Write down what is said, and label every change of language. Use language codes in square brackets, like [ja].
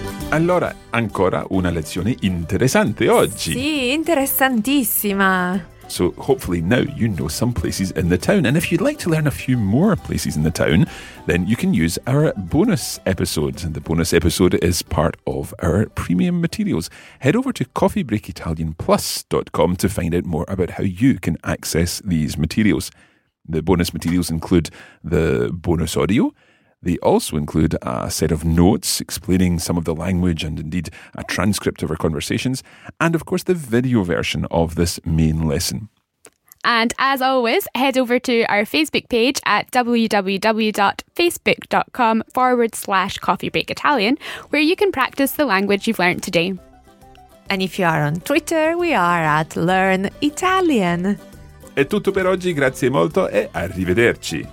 [it] Allora, ancora una lezione interessante oggi. Sì, interessantissima. [en] So hopefully now you know some places in the town. And if you'd like to learn a few more places in the town, then you can use our bonus episodes. And the bonus episode is part of our premium materials. Head over to coffeebreakitalianplus.com to find out more about how you can access these materials. The bonus materials include the bonus audio. They also include a set of notes explaining some of the language and indeed a transcript of our conversations, and of course the video version of this main lesson. And as always, head over to our Facebook page at www.facebook.com/coffeebreakitalian, where you can practice the language you've learned today. And if you are on Twitter, we are at Learn Italian. [it] È tutto per oggi, grazie molto e arrivederci.